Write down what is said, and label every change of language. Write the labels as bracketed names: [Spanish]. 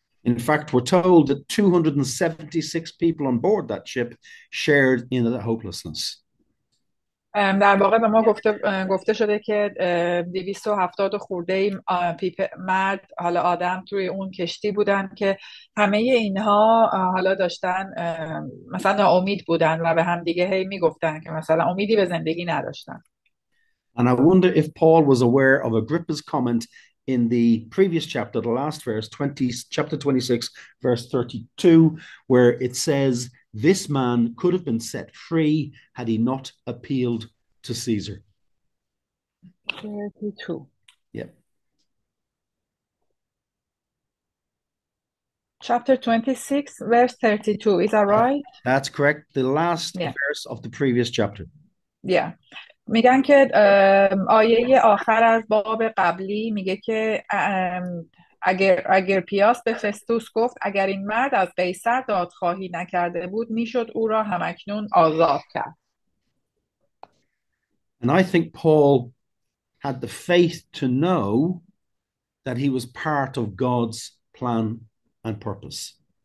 [English] In fact, we're told that 276 people on board that ship shared in the hopelessness. [Persian] در واقع به ما گفته شده که 270 خورده مرد حالا آدم توی اون کشتی بودن که همه اینها حالا داشتن مثلا ناامید بودن و به هم دیگه هی میگفتن که مثلا امیدی به زندگی نداشتن. [English] And I wonder if Paul was aware of Agrippa's comment in the previous chapter, the last verse, chapter 26, verse 32, where it says This man could have been set free had he not appealed to Caesar. 32. Yep. Chapter 26, verse 32. Is that right? That's correct. The last yeah. verse of the previous chapter. Yeah. [Persian] میگن که آیه آخر از باب قبلی میگه که اگر پیاس به فستوس گفت اگر این مرد از قیصر دادخواهی نکرده بود میشد او را همکنون آزاد کرد. [English] And I think Paul had the faith to know that he was part of God's plan and purpose.